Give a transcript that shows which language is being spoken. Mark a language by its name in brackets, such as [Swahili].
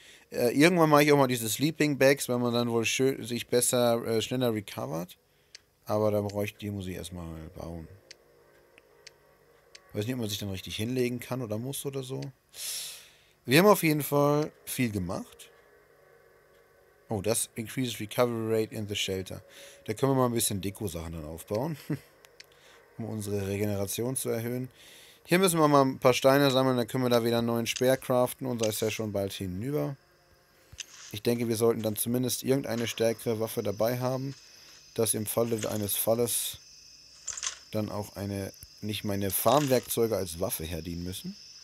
[German] Irgendwann mache ich auch mal diese Sleeping Bags, wenn man dann wohl schön, sich besser, schneller recovert. Aber da brauche ich, die muss ich erstmal bauen. Weiß nicht, ob man sich dann richtig hinlegen kann oder muss oder so. Wir haben auf jeden Fall viel gemacht. [English] Oh, [German] das [English] increases recovery rate in the shelter. [German] Da können wir mal ein bisschen Deko-Sachen dann aufbauen, um unsere Regeneration zu erhöhen. Hier müssen wir mal ein paar Steine sammeln, dann können wir da wieder einen neuen Speer craften. Unser ist ja schon bald hinüber. Ich denke, wir sollten dann zumindest irgendeine stärkere Waffe dabei haben, dass im Falle eines Falles dann auch eine nicht meine Farmwerkzeuge als Waffe herdienen müssen.